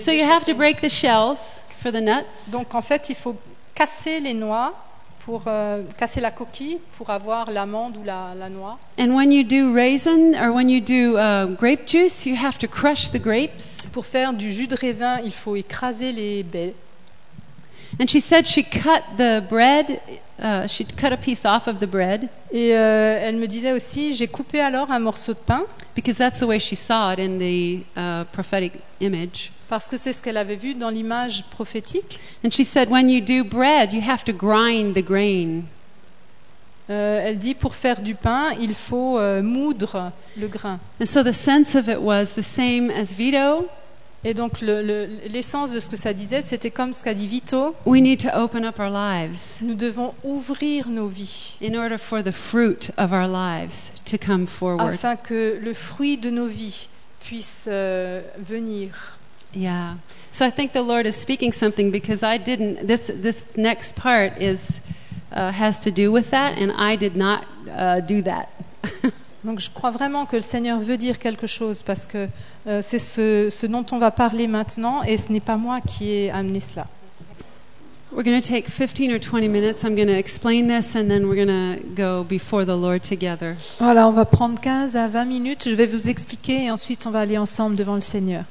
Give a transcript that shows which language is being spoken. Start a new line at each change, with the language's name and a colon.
English: So you have to break the shells for the nuts.
French: Donc, en fait, il faut casser les noix. Pour casser la coquille pour avoir l'amande ou la noix.
English: And when you do raisin or when you do grape juice, you have to crush the grapes.
French: Pour faire du jus de raisin, il faut écraser les baies.
English: And she said she cut the bread. She cut a piece off of the bread.
French: Et elle me disait aussi, j'ai coupé alors un morceau de pain.
English: Because that's the way she saw it in the prophetic image.
French: Parce que c'est ce qu'elle avait vu dans l'image prophétique.
English: And she said, when you do bread, you have to grind the grain.
French: Elle dit, pour faire du pain, il faut moudre le grain.
English: And so the sense of it was the same as Vito.
French: Et donc l'essence de ce que ça disait, c'était comme ce qu'a dit Vito.
English: We need to open up our lives.
French: Nous devons ouvrir nos vies.
English: In order for the fruit of our lives to come forward.
French: Afin que le fruit de nos vies puisse venir.
English: Yeah. So I think the Lord is speaking something because I didn't. This next part is has to do with that, and I did not do that.
French: Donc je crois vraiment que le Seigneur veut dire quelque chose parce que c'est ce dont on va parler maintenant et ce n'est pas moi qui ai amené cela.
English: We're going to take 15 or 20 minutes. I'm going to explain this and then we're going to go before the Lord together.
French: Voilà, on va prendre 15 à 20 minutes. Je vais vous expliquer et ensuite on va aller ensemble devant le Seigneur.